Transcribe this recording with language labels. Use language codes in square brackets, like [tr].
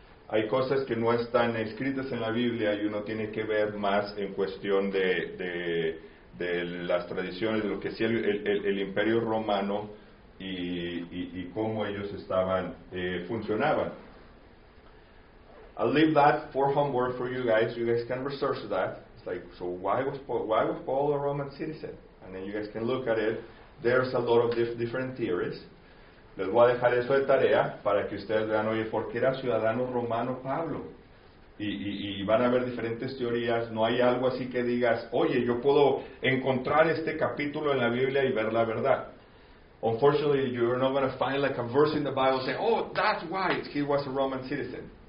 [es] Hay cosas que no están escritas en la Biblia y uno tiene que ver más en cuestión de las tradiciones de lo que hacía el Imperio Romano y cómo ellos estaban funcionaban. [en] I'll leave that for homework for you guys. You guys can research that. It's like, so why was Paul a Roman citizen? And then you guys can look at it. There's a lot of different theories. [es] Les voy a dejar eso de tarea para que ustedes vean, oye, ¿por qué era ciudadano romano Pablo? Y van a ver diferentes teorías. No hay algo así que digas, oye, yo puedo encontrar este capítulo en la Biblia y ver la verdad. [en] Unfortunately, you're not going to find like a verse in the Bible saying, oh, that's why he was a Roman citizen.